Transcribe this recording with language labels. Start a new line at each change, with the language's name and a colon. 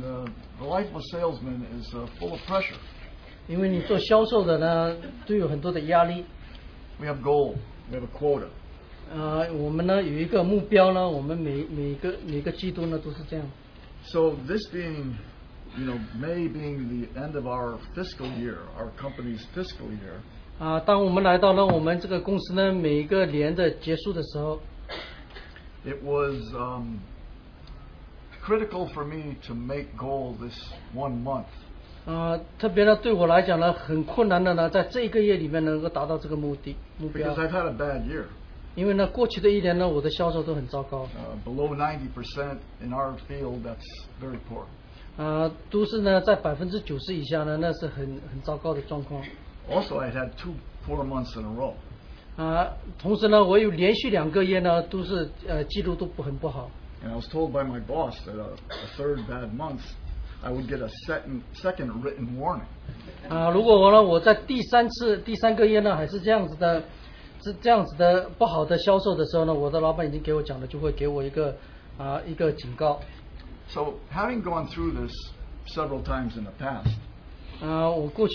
English: the life of a salesman is full of pressure.
Chinese: 因为你做销售的呢，都有很多的压力。
English: We have goal. We have a quota.
Chinese: 我们呢有一个目标呢，我们每个季度呢都是这样。
English: So this being You know, May being the end of our fiscal year, our company's fiscal year.
Chinese: 当我们来到了我们这个公司呢，每一个年的结束的时候，
English: it was critical for me to make goal this one month.
Chinese: 特别呢，对我来讲呢，很困难的呢，在这一个月里面能够达到这个目的目标。
English: Because I've had a bad year. Below 90% in our field, that's very poor.
Chinese: 都市呢在 90% 以下呢那是很糟糕的状况。
English: Also, I had two poor months in a row.
Chinese: 同时呢我有连续两个月呢都是记录都很不好。
English: And I was told by my boss that a third bad month, I would get a second written warning.
Chinese: 如果我在第三个月呢还是这样子的不好的销售的时候呢我的老板已经给我讲了就会给我一个警告。
English: So having gone through this several times in the past,